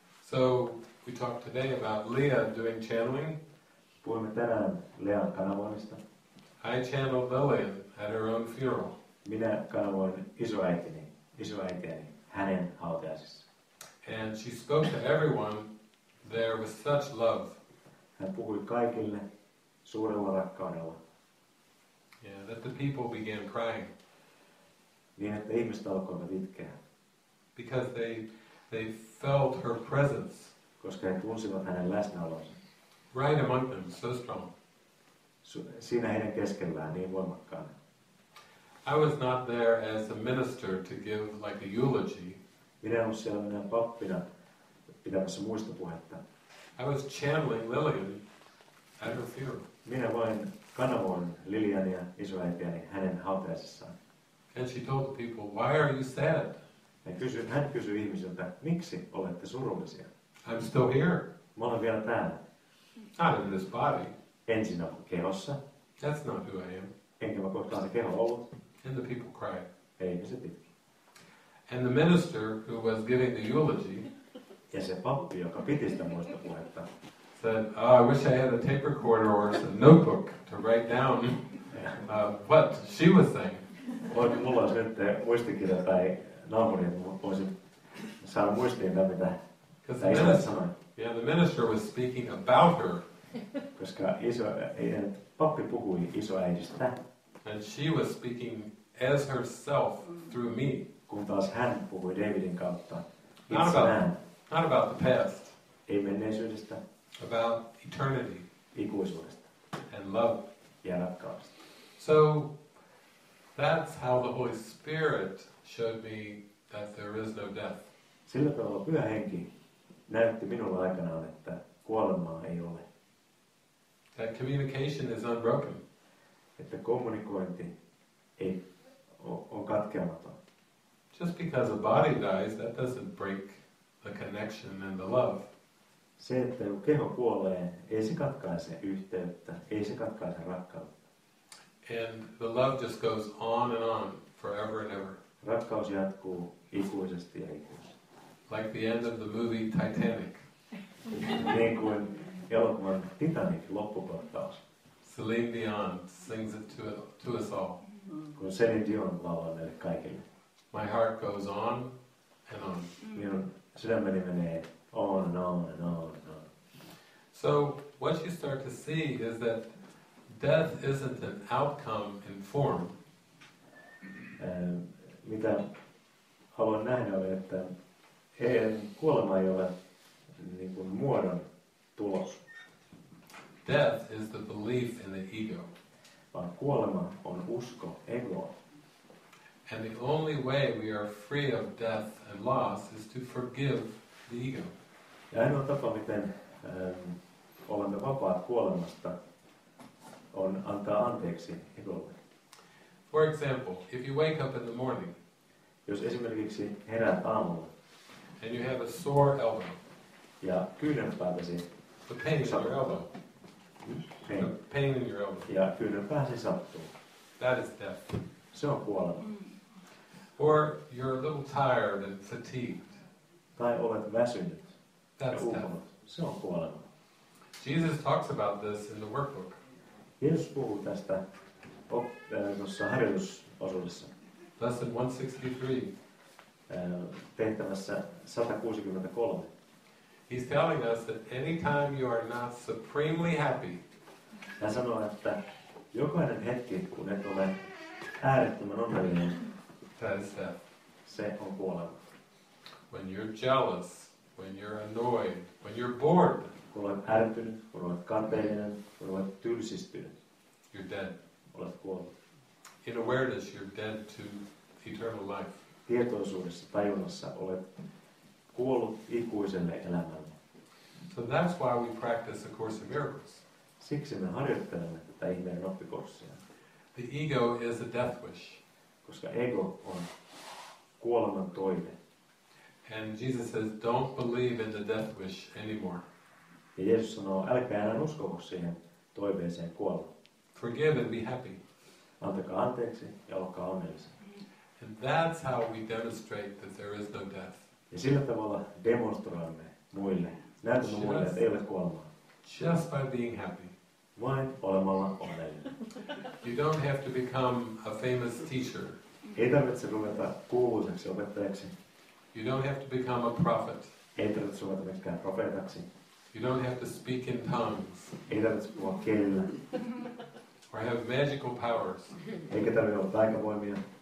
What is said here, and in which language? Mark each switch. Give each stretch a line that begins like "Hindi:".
English: So we talked today about Leah doing channeling.
Finnish: Puhuimme tänään Lean kanavoinnista.
English: I channeled Lillian at her own funeral.
Finnish: Minä kanavoin isoäitini hänen hautajaisissa.
English: And she spoke to everyone there with such love.
Finnish: Hän puhui kaikille suurella rakkaudella.
English: Yeah, that the people began crying.
Finnish: Niin, että ihmiset alkoivat itkeä.
English: Because they felt her presence.
Finnish: Koska he tunsivat hänen läsnäolonsa.
English: Right among them, so strong.
Finnish: Siinä heidän keskellään niin voimakkaana.
English: I was not there as a minister to give like a eulogy.
Finnish: Minä en ollut siellä minä pappina pitämässä muistopuhetta.
English: I was channeling Lillian at her funeral.
Finnish: Minä vain kanavoin Liliania isoäitiäni hänen hautajaisissaan.
English: And she told the people, why are you sad?
Finnish: Hän kysyi ihmisiltä, miksi olette surullisia?
English: I'm still here.
Finnish: Mä olen vielä täällä.
English: Not in this body.
Finnish: En siinä kehossa.
English: That's not who I am.
Finnish: Enkä mä kohtaan se keho ollut.
English: And the people cried.
Finnish: Ei ihmiset itki.
English: And the minister who was giving the eulogy.
Finnish: Ja se pappi, joka piti sitä muistopuhetta.
English: Said, oh, I wish I had a tape recorder or a notebook to write down what she was saying.
Finnish: Mulla olisi nyt muistikirja tai naapuri, että voisin saada muistiin tämän, mitä isä sanoi.
English: Yeah, the minister was speaking about her.
Finnish: Koska pappi puhui isoäidistä.
English: And she was speaking as herself through me.
Finnish: Kun taas hän puhui Davidin kautta itsenään.
English: Not about the past.
Finnish: Ei menneisyydestä.
English: About eternity.
Finnish: Ikuisuudesta.
English: And love.
Finnish: Ja rakkaudesta.
English: So that's how the Holy Spirit showed me that there is no death.
Finnish: Sillä tavalla Pyhä Henki näytti minulle aikanaan, että kuolemaa ei ole.
English: That communication is unbroken.
Finnish: Että kommunikointi ei on katkeamaton.
English: Just because a body dies, that doesn't break the connection and the love.
Finnish: Se, että kun keho kuolee, ei se katkaise yhteyttä, ei se katkaise rakkautta.
English: And the love just goes on, forever and ever.
Finnish: Rakkaus jatkuu ikuisesti ja ikuisesti.
English: Like the end of the movie Titanic.
Finnish: Niin kuin elokuvan Titanic loppukohtaus.
English: Celine Dion sings it to us all.
Finnish: Kun Celine Dion laulaa meille kaikille.
English: My heart goes on and on.
Finnish: Sydämeni menee
English: on and on and on
Finnish: and on.
English: So what you start to see is that death isn't an outcome in form.
Finnish: Mitä haluan nähdä on, että kuolema ei ole niin kuin muodon tulos.
English: Death is the belief in the ego.
Finnish: Vaan kuolema on usko egoa.
English: And the only way we are free of death and loss is to forgive the ego.
Finnish: Ja ainoa tapa, miten olemme vapaat kuolemasta, on antaa anteeksi egolle.
English: For example, if you wake up in the morning,
Finnish: jos esimerkiksi herät aamulla,
English: and you have a sore elbow,
Finnish: ja kyynärpäätäsi,
English: the pain in your elbow, pain in your elbow,
Finnish: ja kyynärpääsi sattuu,
English: that is death.
Finnish: Se on kuolema.
English: Or you're a little tired and fatigued.
Finnish: Tai olet väsynyt.
English: That's death.
Finnish: Se on kuolema.
English: Jesus talks about this in the workbook.
Finnish: Jeesus puhuu tästä tuossa harjoitusosuudessa.
English: Lesson 163.
Finnish: Tehtävässä 163.
English: He's telling us that anytime you are not supremely happy.
Finnish: Hän sanoo, että jokainen hetki, kun et ole äärettömän onnellinen, se on kuolema.
English: When you're jealous, when you're annoyed, when you're bored.
Finnish: Kun olet ärtynyt, kun olet kateellinen, kun olet tylsistynyt.
English: You're dead.
Finnish: Olet kuollut.
English: In awareness, you're dead to eternal life.
Finnish: Tietoisuudessa, tajunnassa olet kuollut ikuiselle elämälle.
English: So that's why we practice A Course in Miracles.
Finnish: Siksi me harjoittelemme tätä ihmeen oppikurssia.
English: The ego is a death wish.
Finnish: Koska ego on kuoleman toive.
English: And Jesus says, don't believe in the death wish anymore.
Finnish: Ja Jeesus sanoo, älkää enää uskoa siihen toiveeseen kuolla.
English: Forgive and be happy.
Finnish: Antakaa anteeksi ja olkaa onnellisia.
English: And that's how we demonstrate that there is no death.
Finnish: Ja sillä tavalla demonstroimme muille, näytämme muille, että ei ole kuolemaa.
English: Just by being happy.
Finnish: Vain olemalla onnellinen.
English: You don't have to become a famous teacher.
Finnish: Ei tarvitse ruveta kuuluiseksi opettajaksi.
English: You don't have to become a prophet.
Finnish: Ei tarvitse ruveta myöskään profeetaksi.
English: You don't have to speak in tongues.
Finnish: Ei tarvitse puhua kielillä.
English: Or have magical powers.
Finnish: Eikä tarvitse olla taikavoimia.